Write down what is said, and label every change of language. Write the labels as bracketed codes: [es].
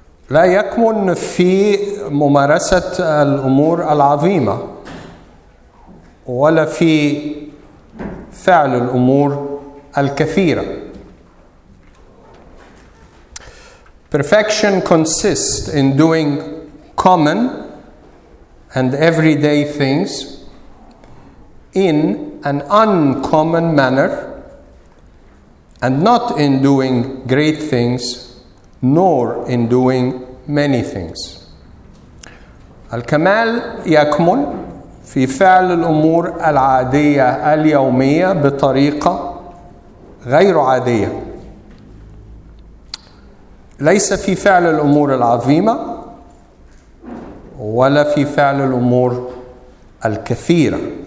[ar] لا يكمن في ممارسة الأمور العظيمة ولا في فعل الأمور الكثيرة. [en] Perfection consists in doing common and everyday things in an uncommon manner and not in doing great things nor in doing many things. [ar] الكمال يكمن في فعل الأمور العادية اليومية بطريقة غير عادية، ليس في فعل الأمور العظيمة ولا في فعل الأمور الكثيرة.